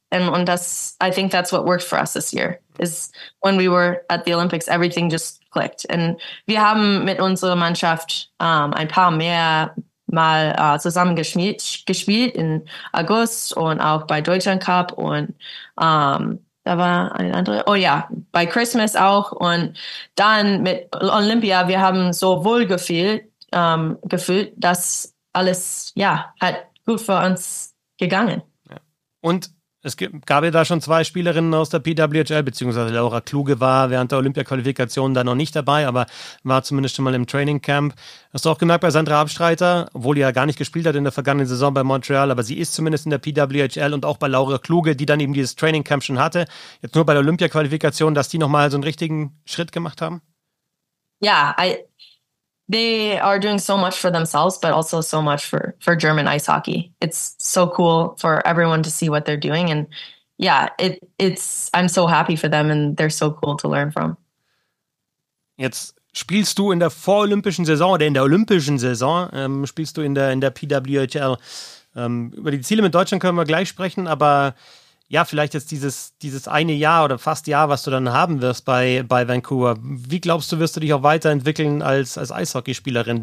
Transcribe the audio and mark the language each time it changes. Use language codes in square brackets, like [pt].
[de] Und das, [en] I think that's what worked for us this year, is when we were at the Olympics, everything just clicked. [de] And wir haben mit unserer Mannschaft ein paar mehr Mal zusammen gespielt in August und auch bei Deutschland Cup und da war ein anderer, bei Christmas auch und dann mit Olympia, wir haben so wohl gefühlt, dass alles, hat gut für uns gegangen. Ja. Und es gab ja da schon zwei Spielerinnen aus der PWHL, beziehungsweise Laura Kluge war während der Olympia-Qualifikation da noch nicht dabei, aber war zumindest schon mal im Training Camp. Hast du auch gemerkt bei Sandra Abstreiter, obwohl die ja gar nicht gespielt hat in der vergangenen Saison bei Montreal, aber sie ist zumindest in der PWHL und auch bei Laura Kluge, die dann eben dieses Training Camp schon hatte, jetzt nur bei der Olympia-Qualifikation, dass die nochmal so einen richtigen Schritt gemacht haben? [en] Ja, they are doing so much for themselves, but also so much for German ice hockey. It's so cool for everyone to see what they're doing. And it's I'm so happy for them and they're so cool to learn from. [de] Jetzt spielst du in der vorolympischen Saison oder in der olympischen Saison, spielst du in der PWHL. Über die Ziele mit Deutschland können wir gleich sprechen, aber ja, vielleicht jetzt dieses eine Jahr oder fast Jahr, was du dann haben wirst bei Vancouver. Wie glaubst du, wirst du dich auch weiterentwickeln als Eishockeyspielerin?